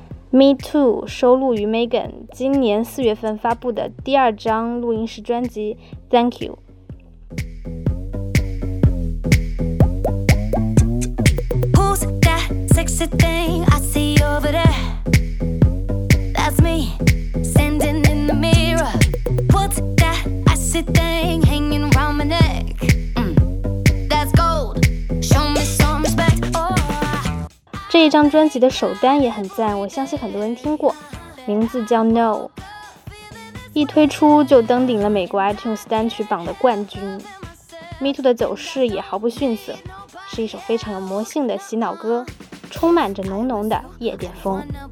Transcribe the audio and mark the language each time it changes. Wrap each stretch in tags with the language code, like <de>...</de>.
<zh>Me Too 收录于 Megan 今年四月份发布的第二张录音室专辑 Thank You。</zh> <en>Who's that sexy thing I see over there? That's me standing in the mirror. What's that icy thing hanging round my neck? That's gold. Show me some respect.</en> <zh>这一张专辑的首单也很赞，我相信很多人听过，名字叫 No， 一推出就登顶了美国 iTunes 单曲榜的冠军。 Me Too 的走势也毫不逊色，是一首非常有魔性的洗脑歌，充满着浓浓的夜店风。</zh>